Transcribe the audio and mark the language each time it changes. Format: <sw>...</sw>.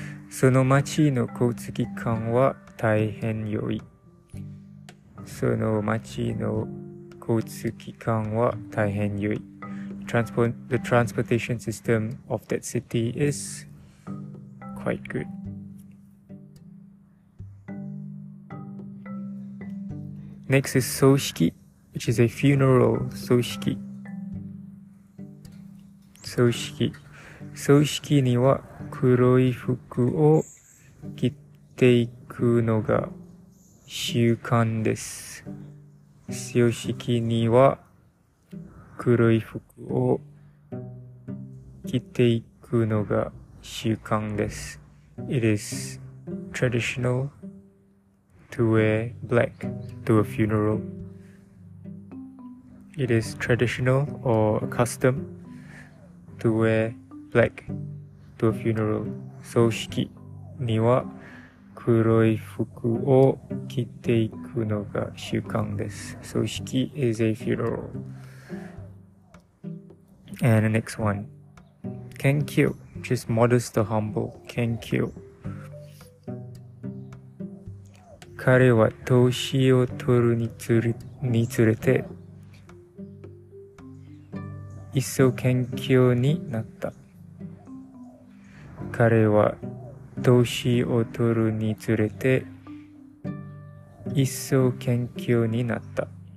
<ja>その町の交通機関は大変良い。その町の交通機関は大変良い。</ja> <en>The transportation system of that city is quite good. Next is 葬式, which is a funeral.</en> <ja>葬式, 葬式, 葬式には黒い服を着ていくのが習慣です。葬式には黒い服を着ていくのが習慣です。</ja> <en>It is traditional to wear black to a funeral. It is traditional or custom to wear black to a funeral.</en> <ja>葬式には黒い服を着ていくのが習慣です。</ja> <en>葬式 is a funeral. And the next one, 謙虚, which is modest or humble, 謙虚.</en> <ja>彼は歳を取るにつれて、一層謙虚になった。彼は歳を取るにつれて、一層謙虚になった。</ja>